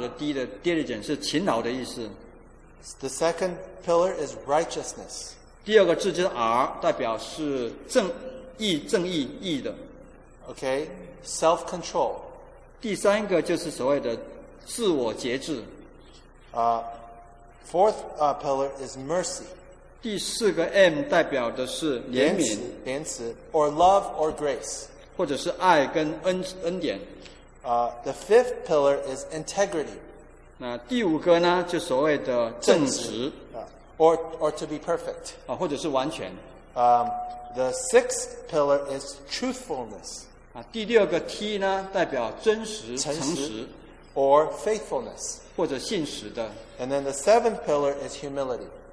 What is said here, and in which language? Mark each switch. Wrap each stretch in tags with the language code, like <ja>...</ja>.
<zh>的 diligence 是勤劳的意思。</zh> <en>The second pillar is righteousness.</en> <zh>第二个字就是 R 代表是正义的。</zh> <en>Okay, self-control.</en> <zh>第三个就是所谓的自我节制。</zh> <en>Fourth pillar is mercy.</en> <zh>第四个M代表的是怜悯。</zh> <en>怜慈, or love or grace.</en> <zh>或者是爱跟恩典。</zh> <en>The fifth pillar is integrity.</en> <zh>那第五个呢,就所谓的正直。</zh> <en>Or to be perfect.</en> <zh>或者是完全。</zh> <en>The sixth pillar is truthfulness.</en> <zh>第六个T呢,代表真实,诚实。</zh> <en>Or faithfulness.</en> <zh>或者信实的。</zh> <en>And then the seventh pillar is humility.</en>